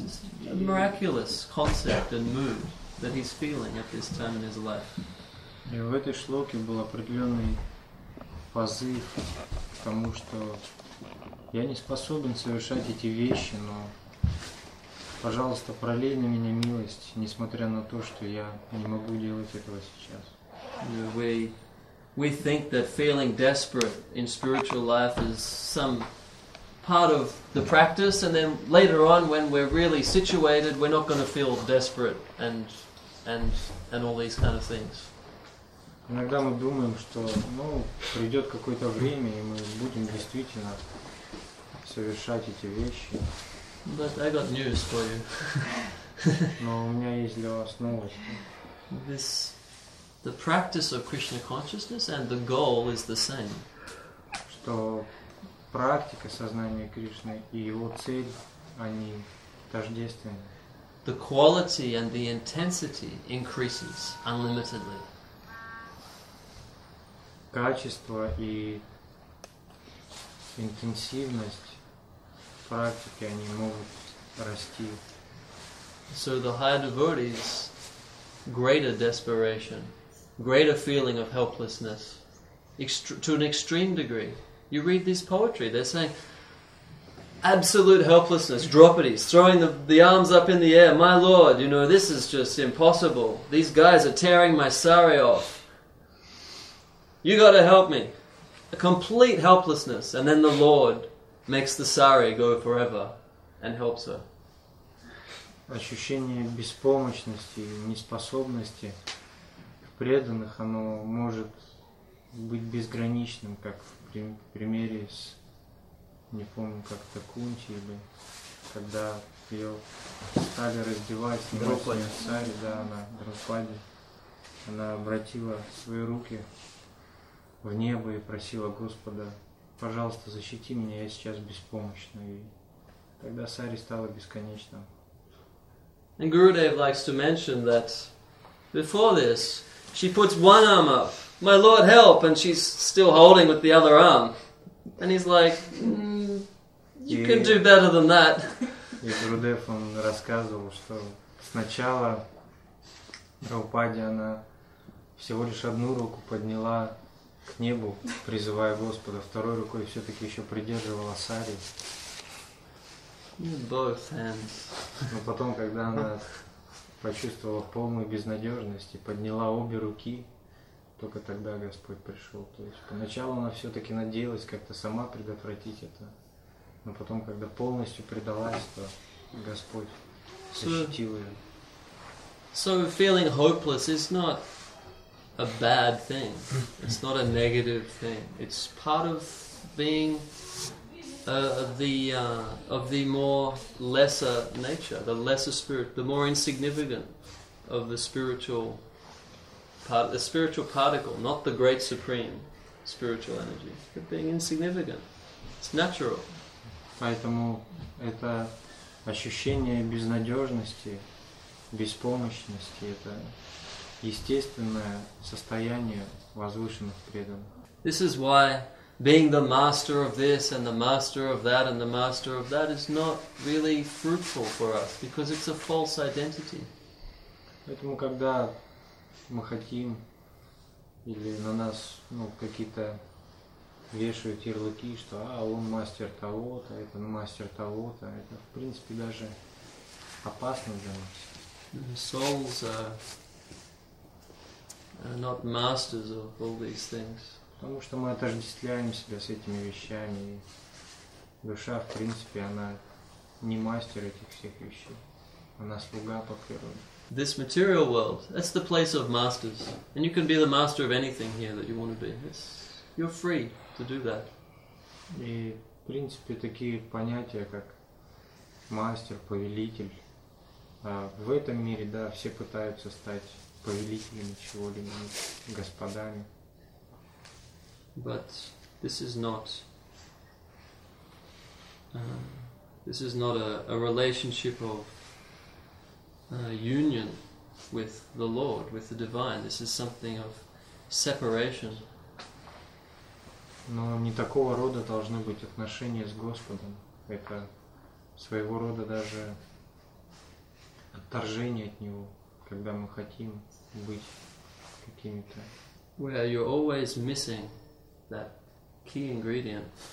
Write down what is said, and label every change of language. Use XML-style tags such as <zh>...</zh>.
<en>It's a miraculous concept and mood that he's feeling at this time in his life. In this shloka</en> <ru>был определенный позыв к тому, что я не способен совершать эти вещи, но, пожалуйста, пролей на меня милость, несмотря на то, что я не могу делать этого сейчас.</ru> <en>We think that feeling desperate in spiritual life is some part of the practice, and then later on, when we're really situated, we're not going to feel desperate and all these kind of things.</en> <ru>Иногда мы думаем, что, ну, придет какое-то время, и мы будем действительно совершать эти вещи.</ru> <en>But I got news for you.</en> <ru>Но у меня есть для вас новости.</ru> <en>This, the practice of Krishna consciousness and the goal is the same.</en> <ru>Что практика сознания Кришны и его цель, они тождественны.</ru> <en>The quality and the intensity increases unlimitedly.</en> <ru>Качество и интенсивность практики, они могут расти.</ru> <en>So the higher devotees, greater desperation, greater feeling of helplessness, to an extreme degree. You read this poetry, they're saying, absolute helplessness, Draupadi, throwing the arms up in the air, my lord, you know, this is just impossible. These guys are tearing my sari off. You gotta help me. A complete helplessness. And then the lord makes the sari go forever and helps her.</en> <ru>Ощущение беспомощности и неспособности в преданных, оно может быть безграничным, как в примере с, не помню, как-то Кунти, или когда ее стали раздевать, снимать сари, да, на Драупаде, она обратила свои руки в небо и просила Господа: пожалуйста, защити меня, я сейчас беспомощна. И тогда сари стала бесконечным.</ru> <en>And Gurudev likes to mention that before this, she puts one arm up, my lord help, and she's still holding with the other arm. And he's like, You can do better than that.</en> <ru>И Гурудев, он рассказывал, что сначала Драупаде, она всего лишь одну руку подняла к небу, призывая Господа, второй рукой все-таки еще придерживала сари.</ru> <en>Both hands.</en> <ru>Но потом, когда она почувствовала полную безнадежность и подняла обе руки, только тогда Господь пришел. То есть поначалу она все-таки надеялась как-то сама предотвратить это. Но потом, когда полностью предалась, то Господь защитил ее.</ru> <en>So feeling hopeless is not a bad thing. It's not a negative thing. It's part of being of the more lesser nature, the lesser spirit, the more insignificant of the spiritual part, the spiritual particle, not the great supreme spiritual energy, but being insignificant. It's natural.</en> <ru>Поэтому это ощущение безнадежности, беспомощности, это естественное состояние возвышенных преданных.</ru> <en>This is why being the master of this and the master of that and the master of that is not really fruitful for us, because it's a false identity.</en> <ru>Поэтому когда мы хотим или на нас какие-то вешают ярлыки, что он мастер того-то, это мастер того-то. Это, в принципе, даже опасно для нас.</ru> <en>Souls are not masters of all these things.</en> <ru>Потому что мы отождествляем себя с этими вещами. И душа, в принципе, она не мастер этих всех вещей. Она слуга по природе.</ru> <en>This material world, that's the place of masters. And you can be the master of anything here that you want to be. You're free to do that.</en> <ru>И, в принципе, такие понятия, как мастер, повелитель, в этом мире, да, все пытаются стать повелителями чего-либо, господами.</ru> <en>But this is not a relationship of union with the Lord, with the Divine. This is something of separation.</en> <ru>Но не такого рода должны быть отношения с Господом. Это своего рода даже отторжение от Него, когда мы хотим быть какими-то.</ru> <en>Where you're always missing that key ingredient.</en>